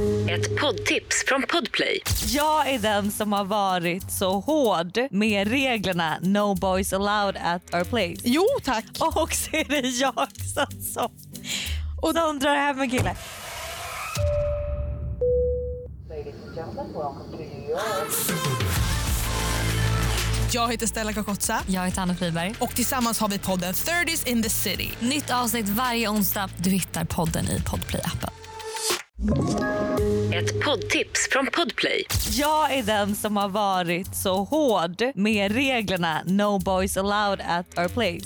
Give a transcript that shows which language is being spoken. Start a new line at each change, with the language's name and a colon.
Swedish: Ett poddtips från Podplay. Jag är den som har varit så hård med reglerna.
English: No boys allowed at our place.
Swedish: Jo, tack. Och så är det jag som så. Och de drar hem en kille. Jag heter Stella Kakotsa. Jag heter Anna Friberg. Och tillsammans har vi podden 30s in the city. Nytt avsnitt varje onsdag. Du hittar podden i Podplay-appen. Ett poddtips från Podplay. Jag är den som har varit så hård med reglerna.
English: No boys allowed at our place.